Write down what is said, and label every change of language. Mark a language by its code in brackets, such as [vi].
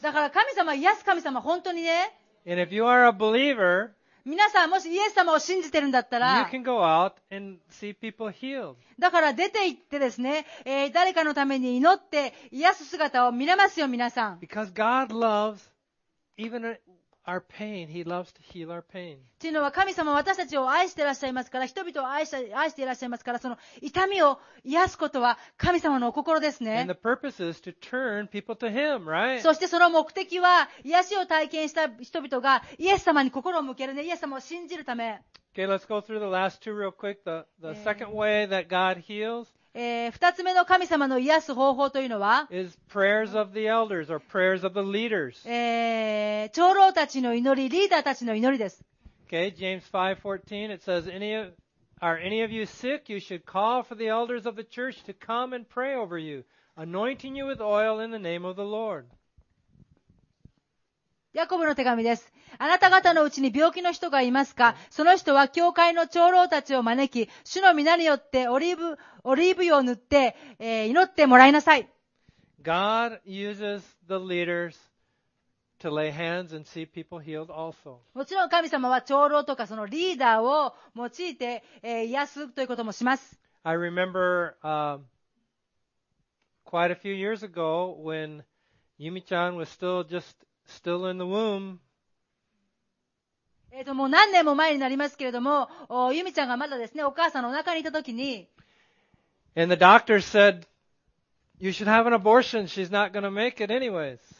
[ja] だから神様、イエス神様、本当にね、 [en] And if you are a believer, [ja] 皆さんもしイエス様を信じてるんだったら、 [en] you can go out and see people healed. [ja] だから出て行ってですね、誰かのために祈って癒す姿を見れますよ、皆さん。 [en] Because God loves even our pain, He loves to heal our pain. [ja] というのは神様は私たちを愛していらっしゃいますから、人々を愛していらっしゃいますから、その痛みを癒すことは神様のお心ですね。 [en] And the purpose is to turn people to Him, right? [ja] そしてその目的は、癒しを体験した人々がイエス様に心を向けるね、イエス様を信じるため。 [en] Okay, let's go through the last two real quick. The second way that God heals. [ja] 二つ目の神様の癒す方法というのは、 [en] is prayers of the elders or prayers of the leaders. [ja] 長老たちの祈り、リーダーたちの祈りです。 [en] Okay, James 5:14, it says, are any of you sick? You should call for the elders of the church to come and pray over you, anointing you with oil in the name of the Lord. [ja] ヤコブの手紙です。あなた方のうちに病気の人がいますか？その人は教会の長老たちを招き、主の皆によってオリーブ油を塗って、祈ってもらいなさい。 [en] God uses the leaders to lay hands and see people healed also. [ja] もちろん神様は長老とかそのリーダーを用いて、癒すということもします。 [en] I remember, quite a few years ago when Yumi-chan was still justStill in the womb. [ja] もう何年も前になりますけれども、ユミちゃんがまだですね、お母さんのお腹にいたときに、 [en] And the doctor said, you should have an abortion. She's not going to make it anyways.